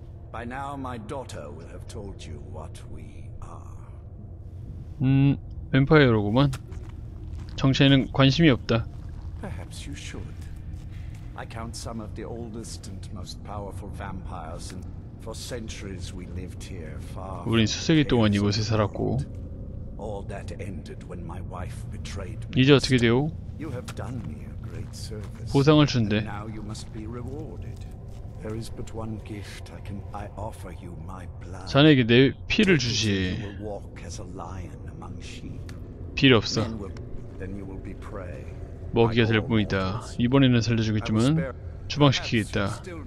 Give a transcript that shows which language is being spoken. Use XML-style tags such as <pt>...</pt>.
<en>By now my daughter will have told you what we are.</en> <ko>뱀파이어로구만. 정체에는 관심이 없다.</ko> <en>Perhaps you should. I count some of the oldest and most powerful vampires, and for centuries we lived here, far.</en> <ko>우린 수세기 동안 이곳에 살았고.</ko> <en>All that ended when my wife betrayed me.</en> <ko>이제 어떻게 돼요?</ko> <en>You have done me a great service.</en> <ko>보상을 준대.</ko> <en>And now you must be rewarded. There is but one gift I can I offer you my blood.</en> <ko>자네에게 내 피를 주지.</ko> <en>You will walk as a lion among sheep.</en> <ko>필요 없어.</ko> <en>Then you will be prey.</en> <ko>먹이가 될 뿐이다. 이번에는 살려주겠지만 추방시키겠다.</ko>